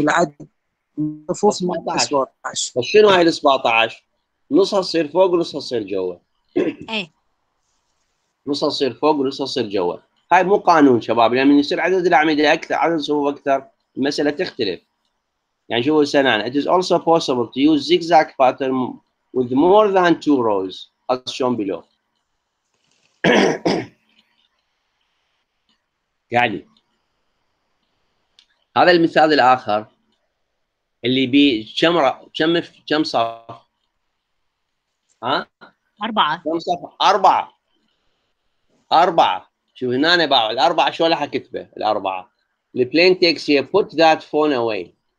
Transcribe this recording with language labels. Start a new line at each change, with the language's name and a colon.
Arabic: والعدد فوق 17. بس شنو هاي ال 17؟ نصها تصير فوق ونصها تصير جوا. نصها تصير فوق ونصها تصير جوا. هاي مو قانون شباب، لان من يصير عدد الاعمده اكثر عدد الصفوف اكثر المساله تختلف. يعني شوفوا سنان
English: it is also possible to use zigzag pattern with more than two rows as shown below.
Arabic: يعني هذا المثال الاخر اللي ب كم كم صف؟ ها؟ اربعه. كم صف؟ اربعه. شوف هنا أنا باعوا الأربعة شو لها كتبة الأربعة.
English: The plain text here put that phone away.